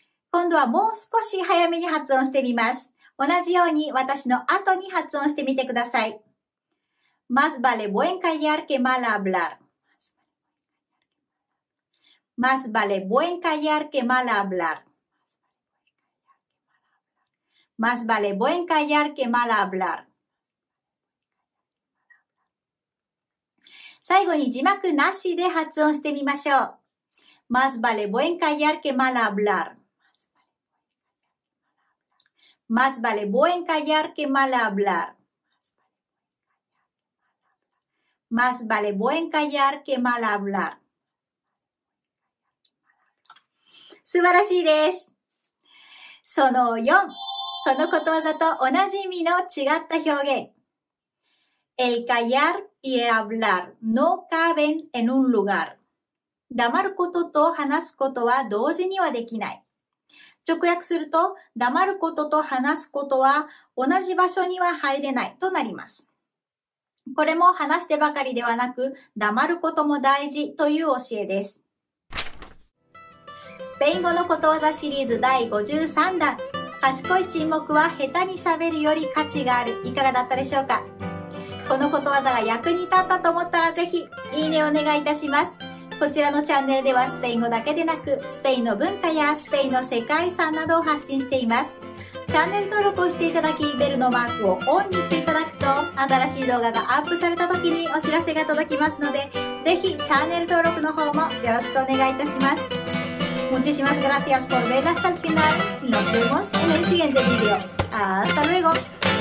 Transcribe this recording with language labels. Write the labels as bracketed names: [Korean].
[Japanese] 今度はもう少し早めに発音してみます。同じように私の後に発音してみてください。 [Spanish] Más vale buen callar que mal hablar。 Más vale buen callar que mal hablar。 Más vale buen callar que mal hablar。 [Japanese] 最後に字幕なしで発音してみましょう。 [Spanish] Más vale buen callar que mal hablar。 Más vale buen callar que mal hablar。 Más vale buen callar que mal hablar。 [Japanese] 素晴らしいです。その4、このことわざと同じ意味の違った表現。 [Spanish] El callar y el hablar no caben en un lugar。 [Japanese] 黙ることと話すことは同時にはできない。直訳すると、黙ることと話すことは同じ場所には入れないとなります。これも話してばかりではなく黙ることも大事という教えです。スペイン語のことわざシリーズ第53弾、賢い沈黙は下手に喋るより価値がある、いかがだったでしょうか。このことわざが役に立ったと思ったらぜひいいねお願いいたします。こちらのチャンネルではスペイン語だけでなく、スペインの文化やスペインの世界遺産などを発信しています。チャンネル登録をしていただき、ベルのマークをオンにしていただくと、新しい動画がアップされた時にお知らせが届きますので、ぜひチャンネル登録の方もよろしくお願いいたします。 [Spanish] Muchísimas gracias por ver hasta el final. Nos vemos en el siguiente video. Hasta luego.